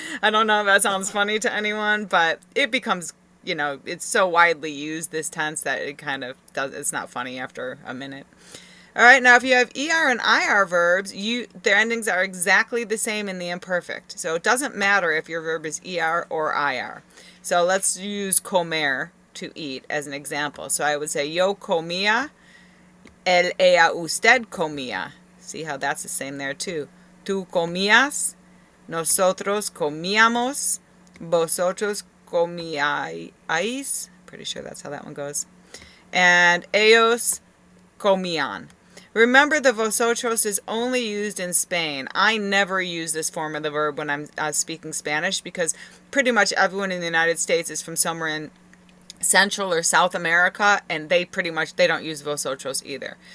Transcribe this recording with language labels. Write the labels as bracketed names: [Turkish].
[English] I don't know if that sounds funny to anyone, but it becomes, you know, it's so widely used, this tense, that it kind of does, it's not funny after a minute. All right, now if you have ER and IR verbs, their endings are exactly the same in the imperfect. So it doesn't matter if your verb is ER or IR. So let's use comer to eat as an example. So I would say [Spanish] yo comía, él, ella, usted comía. [English] See how that's the same there too. [Spanish] Tú comías, nosotros comíamos, vosotros comíais. [English] Pretty sure that's how that one goes. And [Spanish] ellos comían. [English] Remember, the vosotros is only used in Spain. I never use this form of the verb when I'm speaking Spanish, because pretty much everyone in the United States is from somewhere in Central or South America, and they don't use vosotros either.